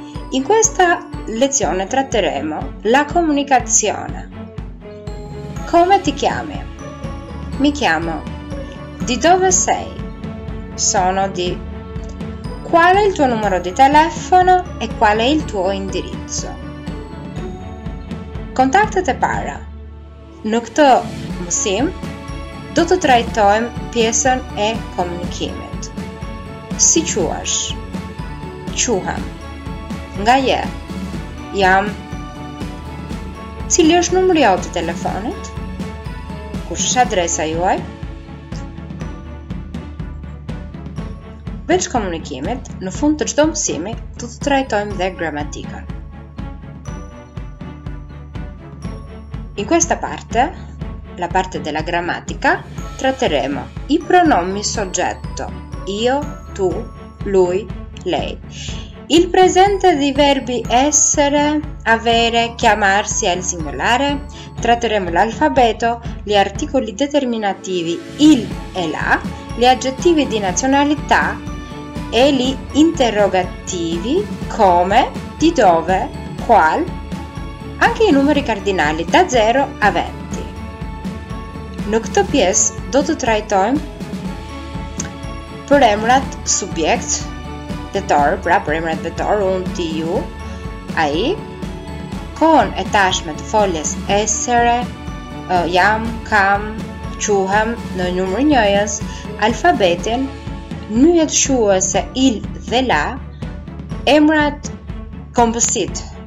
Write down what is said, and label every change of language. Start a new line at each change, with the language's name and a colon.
Italian: In questa lezione tratteremo la comunicazione. Come ti chiami? Mi chiamo. Di dove sei? Sono di. Qual è il tuo numero di telefono e qual è il tuo indirizzo? Contattate para.
Albanian: Në këtë mësim, do të trajtojmë pjesën e komunikimit. Si quash? Quhem. Nga je? Jam. Cili është numri jot të telefonit? Kush është adresa juaj? Veç komunikimit, në fund të çdo mësimi, do të trajtojmë dhe gramatikën.
Italian: In questa parte, la parte della grammatica, tratteremo i pronomi soggetto, io, tu, lui, lei. Il presente dei verbi essere, avere, chiamarsi al singolare. Tratteremo l'alfabeto, gli articoli determinativi, il e la, gli aggettivi di nazionalità e gli interrogativi, come, di dove, qual, anche i numeri cardinali, da 0 a 20.
Albanian: Në këtë pjesë do të trajtojmë përemrat subjekt vetor, pra përemrat vetor, unë, ti, ju, ai, kohën e tashme të foljes esere, jam, kam, quhem, në numër njëjës, alfabetin, mënyrën shkruese il dhe la, emrat kompozit,